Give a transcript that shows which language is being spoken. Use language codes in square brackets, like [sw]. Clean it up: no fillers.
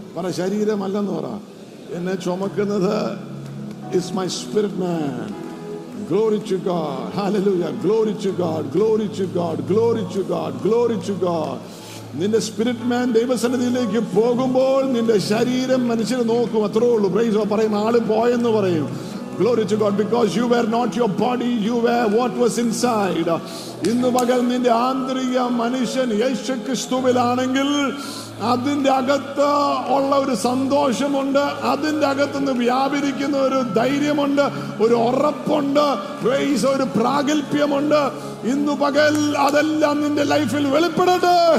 [ml] പറ, ശരീരമല്ല എന്ന് പറ, എന്നെ ചുമക്കുന്നത് is my spirit man. Glory to God. Hallelujah. Glory to God. Glory to God. Glory to God. Glory to God. നിന്റെ spirit മാൻ ദൈവസന്നിധിയിലേക്ക് പോകുമ്പോൾ നിന്റെ ശരീരം മനുഷ്യന് നോക്കും, അത്രേ ഉള്ളൂ. പ്രൈസ് ദി പറയും, ആള് പോയെന്ന് പറയും. [en] Glory to God, because you were not your body, you were what was inside. [ml] ഇന്നു പകൽ നിന്റെ ആന്തരിക മനുഷ്യൻ യേശുക്രിസ്തുവിലാണെങ്കിൽ അതിൻ്റെ അകത്ത് ഉള്ള ഒരു സന്തോഷമുണ്ട്, അതിൻ്റെ അകത്തുനിന്ന് വ്യാപരിക്കുന്ന ഒരു ധൈര്യമുണ്ട്, ഒരു ഉറപ്പുണ്ട്, ഒരു പ്രാഗൽഭ്യമുണ്ട്. ഇന്നു പകൽ അതെല്ലാം നിന്റെ ലൈഫിൽ വെളിപ്പെടട്ടെ.